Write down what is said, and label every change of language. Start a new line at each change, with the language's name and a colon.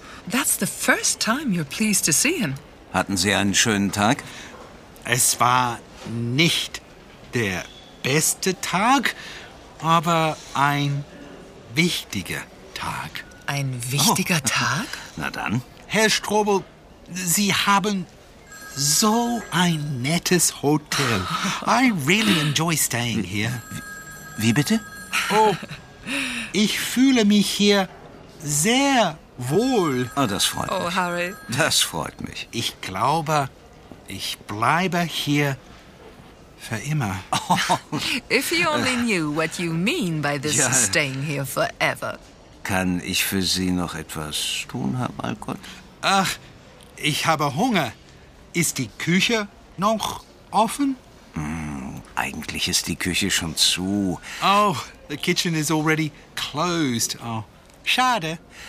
English: That's the first time you're pleased to see him.
German: Hatten Sie einen schönen Tag? Es war nicht der beste Tag, aber ein wichtiger Tag. Ein wichtiger Tag? Na dann. Herr Strobel, Sie haben so ein nettes Hotel.
English: I really enjoy staying here.
German: Wie bitte? Oh, ich fühle mich hier sehr wohl. Oh, das freut mich. Oh, Harry. Das freut mich. Ich glaube, ich bleibe hier für immer.
English: If you only knew what you mean by this
German: ja.
English: Staying here forever.
German: Kann ich für Sie noch etwas tun, Herr Walcott? Ach, ich habe Hunger. Ist die Küche noch offen? Eigentlich ist die Küche schon zu.
English: Oh, the kitchen is already closed.
German: Oh, schade.